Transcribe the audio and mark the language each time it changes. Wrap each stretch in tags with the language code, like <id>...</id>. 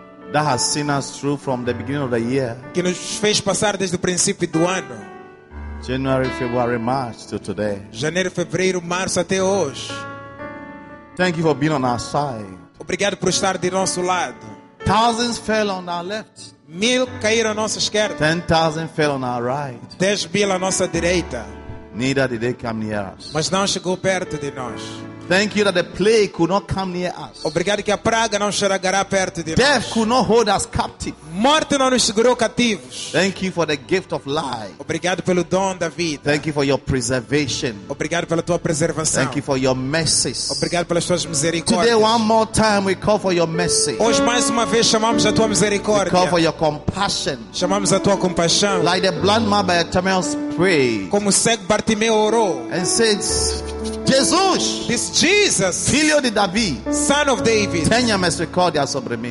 <en>That has seen us through from the beginning of the year.</en> <pt>Que nos fez passar desde o princípio do ano.</pt> <en>January, February, March to today.</en> <pt>Janeiro, fevereiro, março até hoje.</pt> <en>Thank you for being on our side.</en> <pt>Obrigado por estar de nosso lado.</pt> <en>Thousands fell on our left.</en> <pt>1,000 caíram à nossa esquerda.</pt> <en>10,000 fell on our right.</en> <pt>10,000 à nossa direita.</pt> <en>Neither did they come near us.</en> <pt>Mas não chegou perto de nós.</pt> <en>Thank you that the plague could not come near us.</en> <pt>Obrigado que a praga não chegará perto de</pt> <en>Death</en> <pt>nós.</pt> <en>Could not hold us captive.</en> <pt>Morte não nos segurou cativos.</pt> <en>Thank you for the gift of life.</en> <pt>Obrigado pelo dom da vida.</pt> <en>Thank you for your preservation.</en> <pt>Obrigado pela tua preservação.</pt> <en>Thank you for your mercies.</en> <pt>Obrigado pelas tuas misericórdias.</pt> <en>Today one more time we call for your mercy.</en> <pt>Hoje mais uma vez chamamos a tua misericórdia.</pt> <en>We call for your compassion.</en> <pt>Chamamos a tua compaixão.</pt> <en>Like the blind man Bartimaeus prayed.</en> <pt>Como cego Bartimeu orou.</pt> <en>And said, Jesus, this Jesus,</en> <pt>Filho de Davi,</pt> <en>Son of David,</en> <pt>tenha misericórdia sobre mim.</pt>